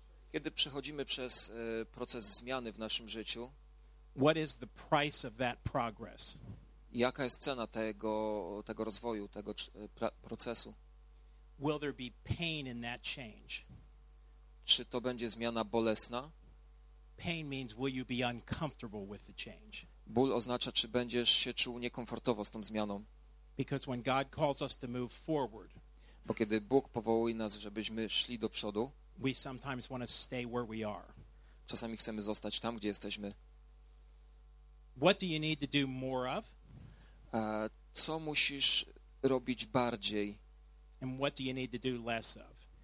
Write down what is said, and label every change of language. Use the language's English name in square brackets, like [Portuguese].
[Polish] Kiedy przechodzimy przez proces zmiany w naszym życiu. [English] What is the price of that progress? [Polish] Jaka jest cena tego rozwoju, tego procesu? [English] Will there be pain in that change? [Polish] Czy to będzie zmiana bolesna? [English] Pain means will you be uncomfortable with the change? [Polish] Ból oznacza, czy będziesz się czuł niekomfortowo z tą zmianą. [English] Because when God calls us to move forward. [Polish] Bo kiedy Bóg powołuje nas, żebyśmy szli do przodu. [English] We sometimes want to stay where we are. [Polish] Czasami chcemy zostać tam, gdzie jesteśmy. [English] What do you need to do more of? [Polish] Co musisz robić bardziej? [English] And what do you need to do less of?